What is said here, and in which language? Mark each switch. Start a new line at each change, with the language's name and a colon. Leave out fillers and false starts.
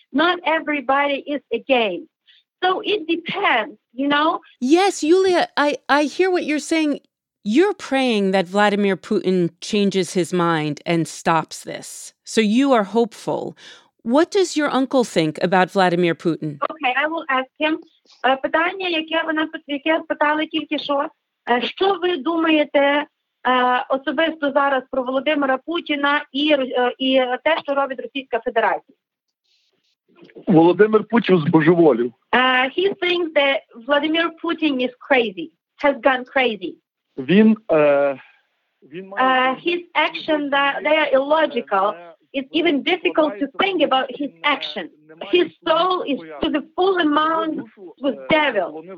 English: Not everybody is against. So it depends, you know? Yes, Yulia, I hear what you're saying. You're praying that Vladimir Putin changes his mind and stops this. So you are hopeful. What does your uncle think about Vladimir Putin? Okay, I will ask him.
Ukrainian: Питання, яке вона питала тільки що. Що ви думаєте особисто зараз про Володимира Путіна і те, що робить Російська Федерація? Володимир Путін збожеволів.
English: He thinks that Vladimir Putin is crazy, has gone crazy. His action that they are illogical. It's even difficult to think about his action. His soul is to the full amount with devil.